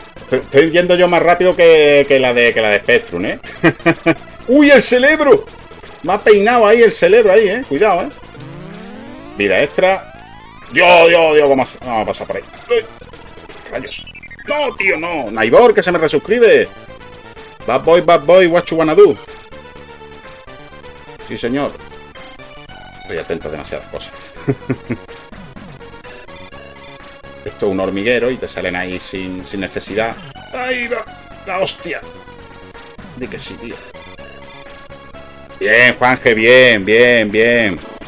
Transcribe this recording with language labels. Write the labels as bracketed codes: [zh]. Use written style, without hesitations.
[es] Estoy yendo yo más rápido que la de Spectrum, ¿eh? ¡Uy, el cerebro! Me ha peinado ahí el cerebro ahí, ¿eh? Cuidado, ¿eh? Vida extra. Dios, vamos a pasar por ahí. Rayos. ¡No, tío, no! ¡Naibor, que se me resuscribe! [en] Bad boy, what you wanna do? [es] Sí, señor. Estoy atento a demasiadas cosas. Esto es un hormiguero y te salen ahí sin necesidad. ¡Ahí va! ¡La hostia! Di que sí, tío. Bien, Juanje, bien.